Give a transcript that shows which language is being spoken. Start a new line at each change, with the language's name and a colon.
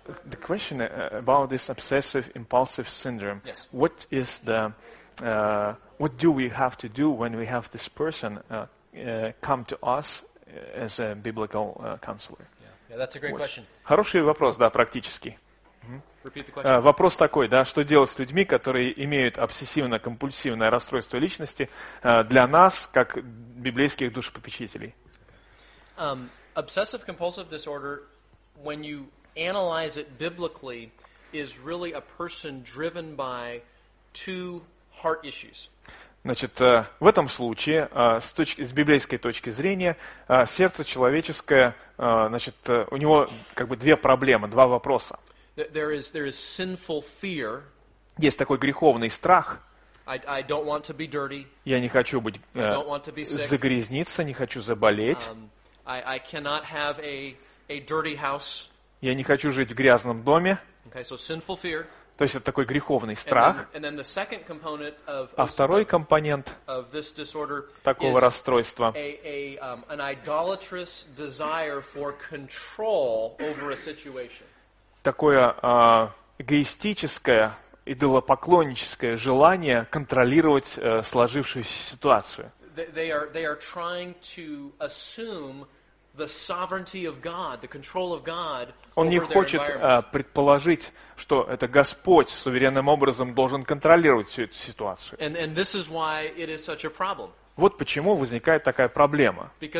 English: The question about this obsessive impulsive syndrome. Yes. What is the what do we have to do when we have this person come to us as a biblical counselor? Yeah, that's a great question.
Russian: Хороший вопрос, да, практический. Вопрос такой, да, что делать с людьми, которые имеют обсессивно-компульсивное расстройство личности для нас, как библейских душепопечителей?
English: Obsessive-compulsive disorder, when you analyze it biblically, is really a person driven by two heart issues.
Russian: Значит, в этом случае, с библейской точки зрения, сердце человеческое, значит, у него как бы две проблемы, два вопроса.
English: There is sinful fear.
Russian: Есть такой греховный страх.
English: I don't want to be dirty.
Russian: Я не хочу быть загрязниться, не хочу заболеть.
English: I cannot have a dirty house.
Russian: Я не хочу жить в грязном доме.
English: Okay, so sinful fear.
Russian: То есть это такой греховный страх.
English: And then the second component of
Russian: а второй компонент
English: of this disorder
Russian: такого
English: is
Russian: расстройства
English: an idolatrous desire for control over a situation.
Russian: Такое эгоистическое, идолопоклонническое желание контролировать сложившуюся ситуацию.
English: They are trying to assume the sovereignty of God, the control of God over their environment.
Russian: Он не хочет предположить, что это Господь суверенным образом должен контролировать всю эту ситуацию.
English: And this is why it is such a problem.
Russian: Вот почему возникает такая проблема.